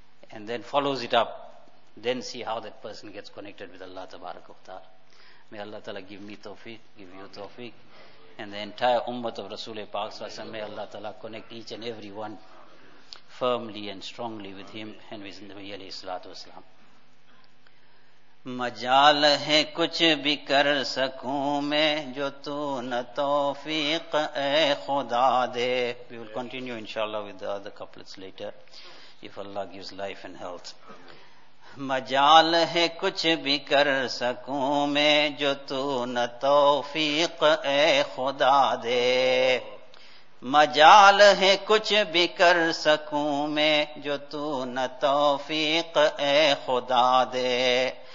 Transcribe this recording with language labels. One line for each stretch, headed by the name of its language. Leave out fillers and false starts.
English: And then follows it up. Then see how that person gets connected with Allah Tabaraka wa Ta'ala. May Allah Ta'ala give me tawfiq, give you tawfiq. And the entire ummah of Rasulullah Paak Sallallahu Alaihi Wasallam, may Allah Ta'ala connect each and every one firmly and strongly with him and with Nabi Alayhi Salatu Wasalam.
Urdu: مجال ہے کچھ بھی کر سکوں میں جو تو نہ توفیق اے خدا دے.
English: We will continue inshallah with the other couplets later if Allah gives life and health.
Urdu: مجال ہے کچھ بھی کر سکوں میں جو تو نہ توفیق اے خدا دے. مجال ہے کچھ بھی کر سکوں میں جو تو نہ توفیق اے خدا دے.